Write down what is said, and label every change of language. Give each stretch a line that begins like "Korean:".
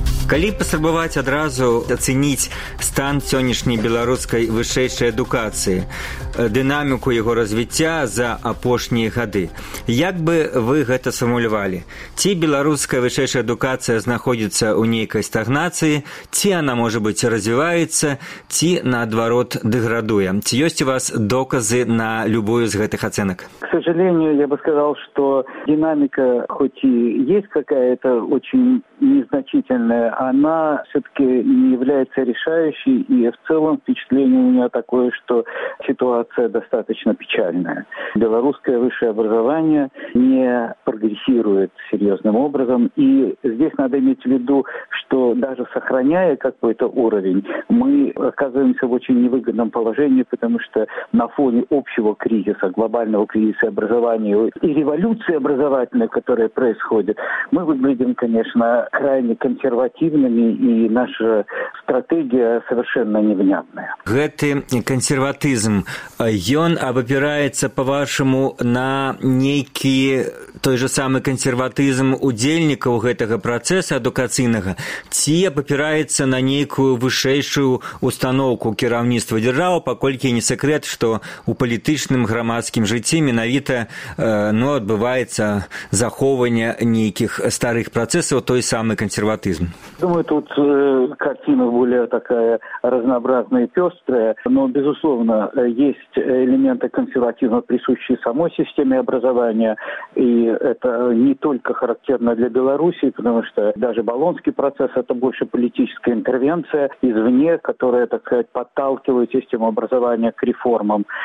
Belarusian: Калі паспрабаваць адразу ацэніць стан сённяшняй беларускай вышэйшай адукацыі, дынаміку яго развіцця за апошнія гады, як бы вы гэта сфармулявалі? Ці беларуская вышэйшая адукацыя знаходзіцца ў нейкай стагнацыі, ці яна, можа быць, развіваецца, ці, наадварот, дэградуе? Ці ёсць у вас доказы на любую з гэтых ацэнак?
Russian: К сожалению, я бы сказал, что динамика, хоть и есть какая-то очень незначительная, она все-таки не является решающей, и в целом впечатление у меня такое, что ситуация достаточно печальная. Белорусское высшее образование не прогрессирует серьезным образом, и здесь надо иметь в виду, что даже сохраняя какой-то уровень, мы оказываемся в очень невыгодном положении, потому что на фоне общего кризиса, глобального кризиса образования и революции образовательной, которая происходит, мы выглядим, конечно, крайне консервативно,
Belarusian: і наша стратэгія
Russian: совершенно невнятная.
Belarusian: Гэты кансерватызм, ён абапіраецца, па-вашаму, на нейкі той же самы кансерватызм удзельнікаў гэтага працэса адукацыйнага, ці абапіраецца на нейкую вышэйшую ўстаноўку кіраўніцтва дзяржавы, паколькі не сакрэт, што ў палітычным грамадскім жыцці менавіта адбываецца захоўванне нейкіх старых працэсаў, той самы кансерватызм.
Russian: Думаю, тут картина более такая разнообразная и пестрая, но, безусловно, есть элементы консервативного, присущие самой системе образования, и это не только характерно для Белоруссии, потому что даже Болонский процесс – это больше политическая интервенция извне, которая, так сказать, подталкивает систему образования к реформам.